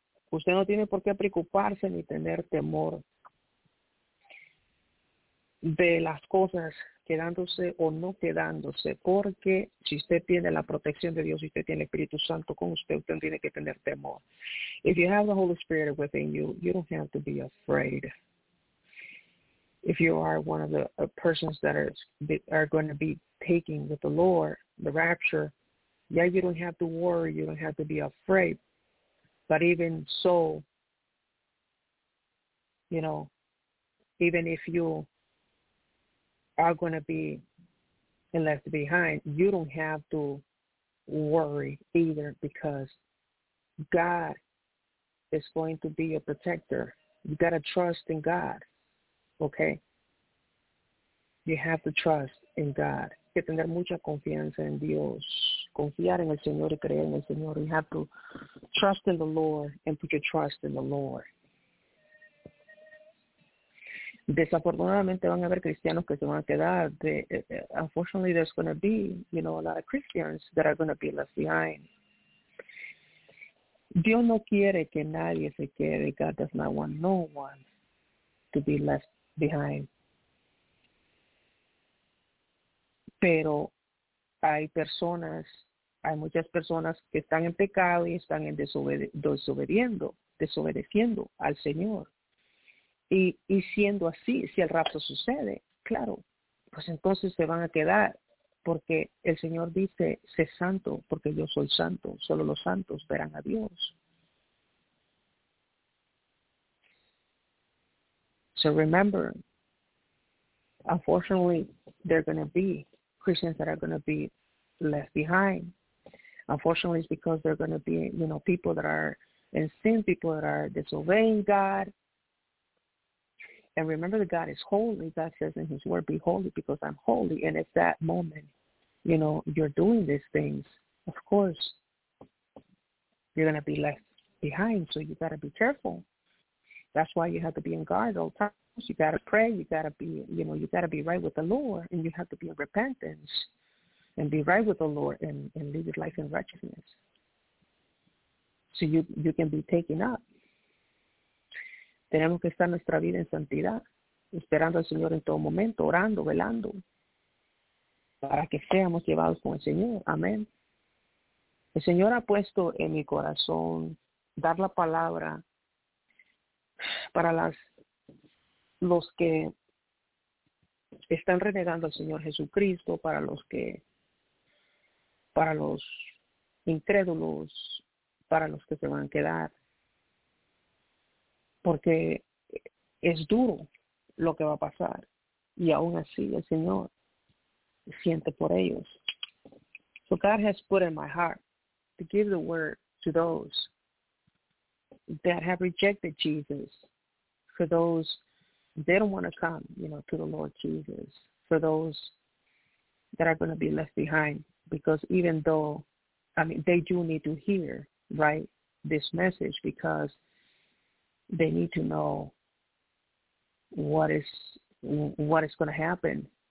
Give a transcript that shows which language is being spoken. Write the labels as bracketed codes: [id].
[es] Usted no tiene por qué preocuparse ni tener temor de las cosas quedándose o no quedándose, porque si usted tiene la protección de Dios y usted tiene el Espíritu Santo con usted, usted tiene que tener temor. [en] If you have the Holy Spirit within you, you don't have to be afraid. If you are one of the persons that are going to be taking with the Lord, the rapture, yeah, you don't have to worry, you don't have to be afraid. But even so, you know, even if you are going to be left behind, you don't have to worry either, because God is going to be your protector. You got to trust in God, okay? You have to trust in God. [es] Que tener mucha confianza en Dios. Confiar en el Señor y creer en el Señor. [en] You have to trust in the Lord and put your trust in the Lord. [es] Desafortunadamente van a haber cristianos que se van a quedar. [en] Unfortunately, there's going to be, you know, a lot of Christians that are going to be left behind. [es] Dios no quiere que nadie se quede. [en] God does not want no one to be left behind. [es] Pero hay personas, hay muchas personas que están en pecado y están en desobedeciendo al Señor. Y siendo así, si el rapto sucede, claro, pues entonces se van a quedar, porque el Señor dice, sé santo, porque yo soy santo, solo los santos verán a Dios. [en] So remember, unfortunately, there are going to be Christians that are going to be left behind. Unfortunately, it's because they're going to be, you know, people that are in sin, people that are disobeying God. And remember that God is holy. God says in his word, be holy because I'm holy. And at that moment, you know, you're doing these things. Of course, you're going to be left behind. So you got to be careful. That's why you have to be in guard all the time. You got to pray. You got to be, you know, you got to be right with the Lord, and you have to be in repentance and be right with the Lord and live your life in righteousness. So you can be taken up. [es] Tenemos que estar nuestra vida en santidad, esperando al Señor en todo momento, orando, velando, para que seamos llevados con el Señor. Amén. El Señor ha puesto en mi corazón dar la palabra para los que están renegando al Señor Jesucristo, para los incrédulos, para los que se van a quedar. Porque es duro lo que va a pasar. Y aún así el Señor siente por ellos. [en] So God has put in my heart to give the word to those that have rejected Jesus, for those they don't want to come, you know, to the Lord Jesus, for those that are going to be left behind, because even though, I mean, they do need to hear, right, this message, because they need to know what is going to happen.